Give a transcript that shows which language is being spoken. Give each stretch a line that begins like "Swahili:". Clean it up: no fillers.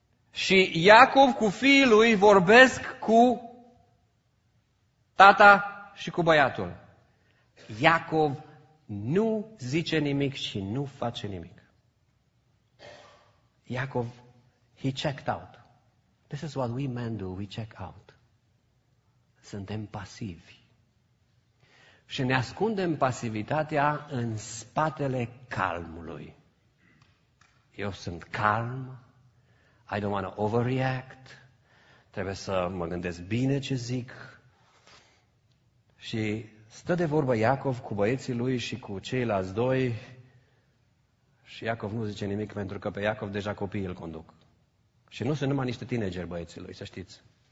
Romanian: Și Iacov cu fiii lui vorbesc cu tata și cu băiatul. Iacov nu zice nimic și nu face nimic.
English: Iacov, he checked out. This is what we men do, we check out.
Romanian: Suntem pasivi. Și ne ascundem pasivitatea în spatele calmului. Eu sunt calm.
English: I don't want to overreact.
Romanian: Trebuie să mă gândesc bine ce zic. Și stă de vorbă Iacov cu băieții lui și cu ceilalți doi. Și Iacov nu zice nimic pentru că pe Iacov deja copiii îl conduc. Și nu sunt numai niște tineri băieții lui, să știți.